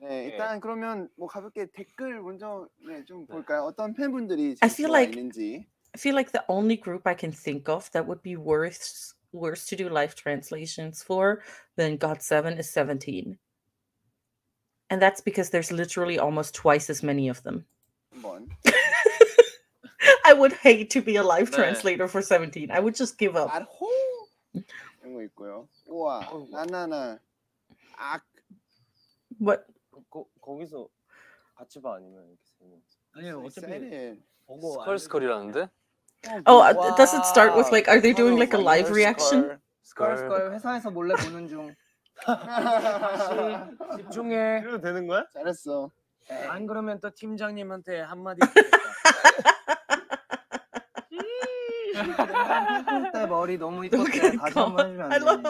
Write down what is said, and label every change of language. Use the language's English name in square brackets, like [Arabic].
[Korean] 네, 일단 그러면 뭐 가볍게 댓글 먼저 네 좀 볼까요? 어떤 팬분들이 좋아하시는지. [English] I feel like the only group I can think of that would be worse to do live translations for than GOT7 is 17. And that's because there's literally almost twice as many of them. I would hate to be a live 네. translator for 17. I would just give up. At home. [Korean] 이거 있고요. 우와. 나나나. 악. [English] What? [Korean] 거기서 같이 봐 아니면 이렇게 아니요 어차피 보고 스컬스컬이라는데. [English] Oh, does it start with like? Are they doing like a live reaction? [Korean] 스컬스컬 회사에서 몰래 보는 중. 다시 집중해. 그래도 되는 거야? 잘했어. 안 그러면 또 팀장님한테 한마디. 이때 머리 너무 이쁘게 다시 한번 해주면 안 돼?